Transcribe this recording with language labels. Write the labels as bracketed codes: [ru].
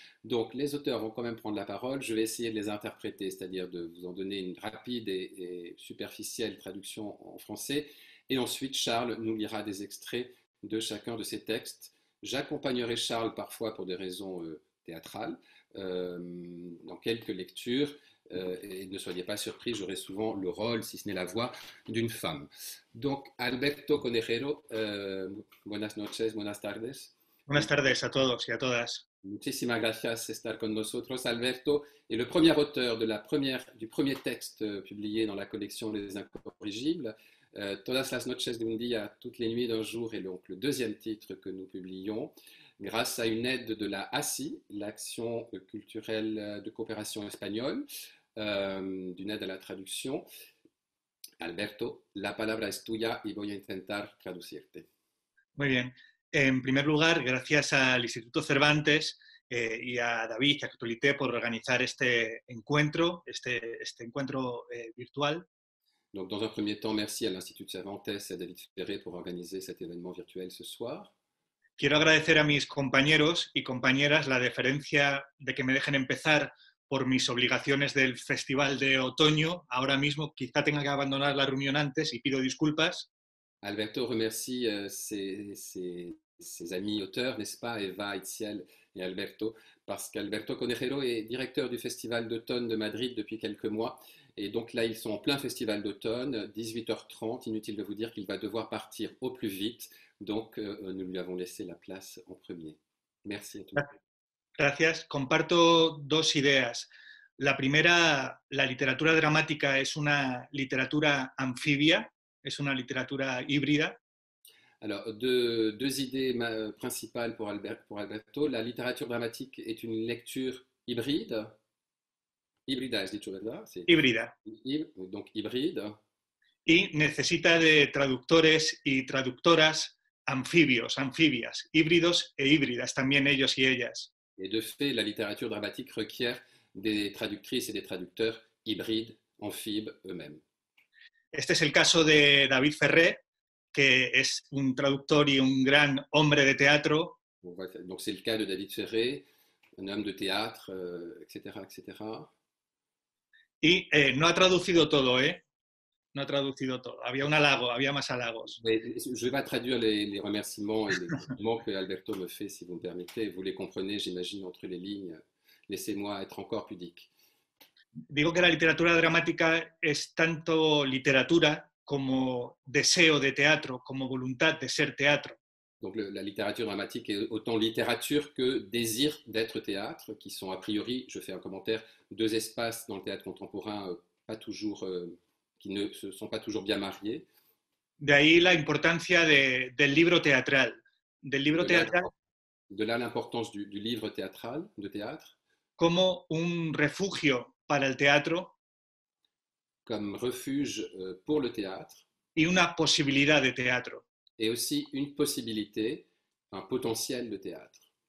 [fr] Donc les auteurs vont quand même prendre la parole, je vais essayer de les interpréter, c'est-à-dire de vous en donner une rapide et superficielle traduction en français, et ensuite Charles nous lira des extraits de chacun de ces textes. J'accompagnerai Charles parfois pour des raisons théâtrales, dans quelques lectures, et ne soyez pas surpris, j'aurai souvent le rôle, si ce n'est la voix, d'une femme. [es] Donc, Alberto Conejero, buenas noches, buenas tardes. Buenas tardes a todos y a todas. Muchísimas gracias estar con nosotros. [fr] Alberto est le premier auteur du premier texte publié dans la collection Les Incorrigibles. [es] Todas las noches de un día, [fr] toutes les nuits d'un jour, est donc le deuxième titre que nous publions, grâce à une aide de la ACI, l'Action culturelle de coopération espagnole, d'une aide à la traduction. [es] Alberto, la palabra es tuya y voy a intentar traducirte. Muy bien. En primer lugar, gracias al Instituto Cervantes y a David y a Catolité por organizar este encuentro, este encuentro virtual. [fr] Donc, dans un premier temps, merci à l'Institut Cervantes et à David Ferré pour organiser cet événement virtuel ce soir. [es] Quiero agradecer a mis compañeros y compañeras la deferencia de que me dejen empezar por mis obligaciones del Festival de Otoño. Ahora mismo, quizá tenga que abandonar la reunión antes y pido disculpas. [fr] Alberto remercie ses amis auteurs, n'est-ce pas, Eva, Itziel et Alberto, parce qu'Alberto Conejero est directeur du Festival d'automne de Madrid depuis quelques mois. Et donc là, ils sont en plein festival d'automne, 18h30, inutile de vous dire qu'il va devoir partir au plus vite, donc nous lui avons laissé la place en premier. Merci à tous. [es] Gracias. Comparto dos ideas. La primera, la literatura dramática es una literatura anfibia, es una literatura híbrida. [fr] Alors, deux idées principales pour Alberto. La littérature dramatique est une lecture hybride. [es] Hybrida, has dicho, ¿verdad? Sí. Hybrida. [fr] Donc, hybride. [es] Y necesita de traductores y traductoras anfibios, anfibias, híbridos e híbridas, también ellos y ellas. [fr] Et de fait, la littérature dramatique requiert des traductrices et des traducteurs hybrides, amphibes eux-mêmes. [es] Este es el caso de David Ferré, que es un traductor y un gran hombre de teatro. [fr] Donc, c'est le cas de David Ferré. un homme de théâtre, etc., etc. [es] Y no ha traducido todo, ¿eh? No ha traducido todo. Había un halago, había más halagos. [fr] Je vais traduire les remerciements et les compliments que Alberto me fait, si vous me permettez. Vous les comprenez, j'imagine, entre les lignes. Laissez-moi être encore pudique. [es] Digo que la literatura dramática es tanto literatura como deseo de teatro, como voluntad de ser teatro. [fr] Donc la littérature dramatique est autant littérature que désir d'être théâtre, qui sont a priori, je fais un commentaire, deux espaces dans le théâtre contemporain pas toujours, qui ne se sont pas toujours bien mariés. [es] De ahí la importancia del libro teatral. Del libro teatral. [fr] De là l'importance du livre théâtral, de théâtre. [es] Como un refugio para el teatro. [fr] Comme refuge pour le théâtre. [es] Y una posibilidad de teatro. [fr] Et aussi une possibilité, un potentiel de théâtre.